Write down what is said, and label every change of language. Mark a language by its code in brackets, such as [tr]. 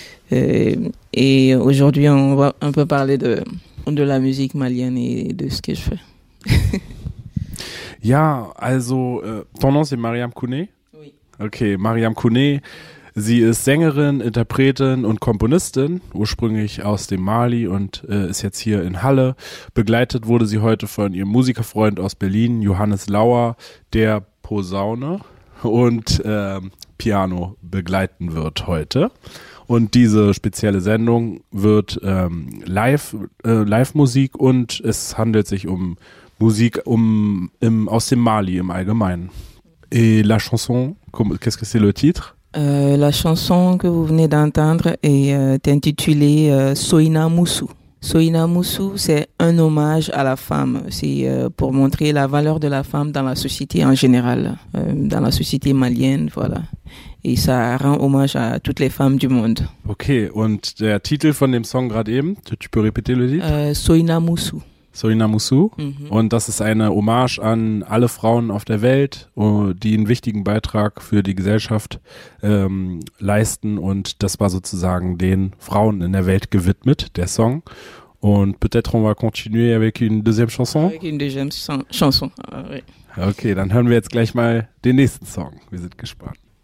[fr] Et aujourd'hui, on va un peu parler de la musique malienne et de ce que je fais. [de] Ja, also, [fr] ton nom c'est Mariam Kone? Oui. Ok, Mariam Kone. [de] Sie ist Sängerin, Interpretin und Komponistin, ursprünglich aus dem Mali und ist jetzt hier in Halle. Begleitet wurde sie heute von ihrem Musikerfreund aus Berlin, Johannes Lauer, der Posaune und Piano begleiten wird heute. Und diese spezielle Sendung wird Live-Musik und es handelt sich um Musik aus dem Mali im Allgemeinen. [fr] Et la chanson, qu'est-ce que c'est le titre? La chanson que vous venez d'entendre est intitulée Soina Moussou. Soina Moussou, c'est un hommage à la femme. C'est pour montrer la valeur de la femme dans la société en général, dans la société malienne, voilà. Et ça rend hommage à toutes les femmes du monde. [de] Ok, und der Titel von dem Song gerade eben, [fr] tu peux répéter le titre? Soina Moussou. Soina Moussou. Mm-hmm. [de] Und das ist eine Hommage an alle Frauen auf der Welt, die einen wichtigen Beitrag für die Gesellschaft leisten. Und das war sozusagen den Frauen in der Welt gewidmet, der Song. Und [fr] peut-être on va continuer avec une deuxième chanson? Avec une deuxième chanson, oui. [de] Okay, dann hören wir jetzt gleich mal den nächsten Song. Wir sind gespannt.